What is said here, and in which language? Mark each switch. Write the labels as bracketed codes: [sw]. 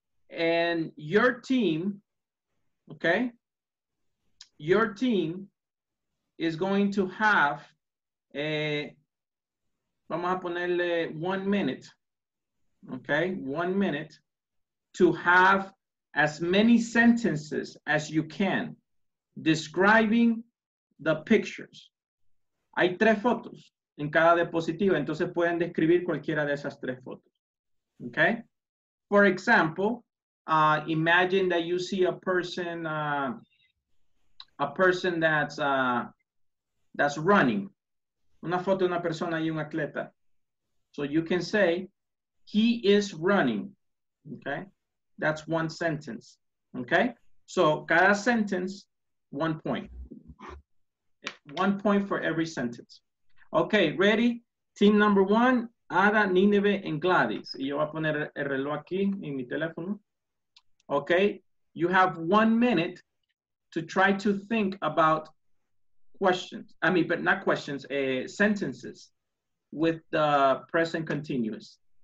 [en] And your team, okay, your team is going to have a, vamos a ponerle 1 minute, okay, 1 minute to have as many sentences as you can describing the pictures. [es] Hay tres fotos en cada diapositiva, entonces pueden describir cualquiera de esas tres fotos, okay? [en] For example, imagine that you see a person that's that's running. [es] Una foto de una persona y un atleta. [en] So you can say, he is running. Okay? That's one sentence. Okay? So cada sentence, 1 point. 1 point for every sentence. Okay, ready? Team number one, Ada, Nineve, and Gladys. [es] Y yo voy a poner el reloj aquí en mi teléfono. [en] Okay? You have 1 minute to try to think about questions. I mean, but not questions, sentences with the present continuous.